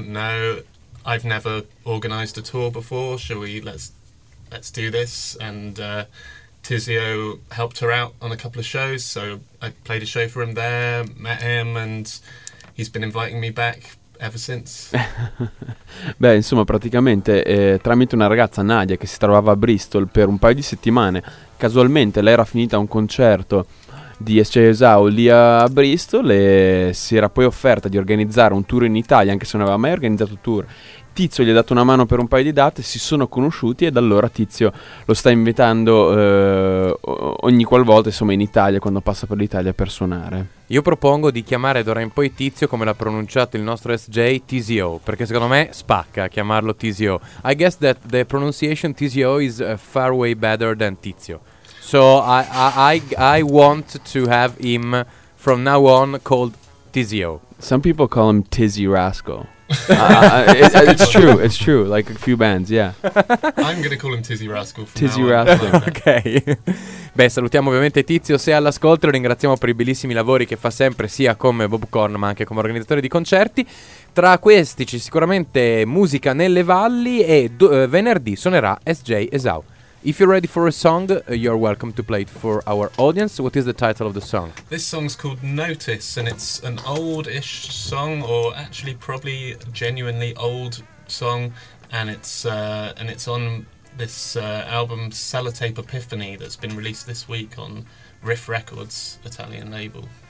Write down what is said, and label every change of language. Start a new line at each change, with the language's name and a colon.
English: "No, I've never organized a tour before. Shall we let's do this?" And Tizio helped her out on a couple of shows, so I played a show for him there, met him, and he's been inviting me back ever since.
Italian: Beh, insomma, praticamente tramite una ragazza, Nadia, che si trovava a Bristol per un paio di settimane, casualmente lei era finita un concerto di Esau lì a Bristol e si era poi offerta di organizzare un tour in Italia, anche se non aveva mai organizzato tour. Tizio gli ha dato una mano per un paio di date, si sono conosciuti e da allora Tizio lo sta invitando ogni qualvolta, insomma, in Italia, quando passa per l'Italia per suonare. Io propongo di chiamare d'ora in poi Tizio, come l'ha pronunciato il nostro SJ, Tizio, perché secondo me spacca chiamarlo Tizio.
English: I guess that the pronunciation Tizio is far way better than Tizio. So I want to have him from now on called Tizio. Some people call him Tizzy Rascal. it's true. Like a few bands, yeah. I'm gonna call him Tizzy Rascal. Okay.
Italian: Beh, salutiamo ovviamente Tizio se all'ascolto, lo ringraziamo per i bellissimi lavori che fa sempre sia come Bob Korn ma anche come organizzatore di concerti. Tra questi c'è sicuramente Musica nelle Valli e venerdì suonerà SJ Esau.
English: If you're ready for a song, you're welcome to play it for our audience. What is the title of the song? This song's called Notice, and it's an old-ish song, or actually probably a genuinely old song, and it's on this album Sellotape Epiphany that's been released this week on Riff Records, Italian label.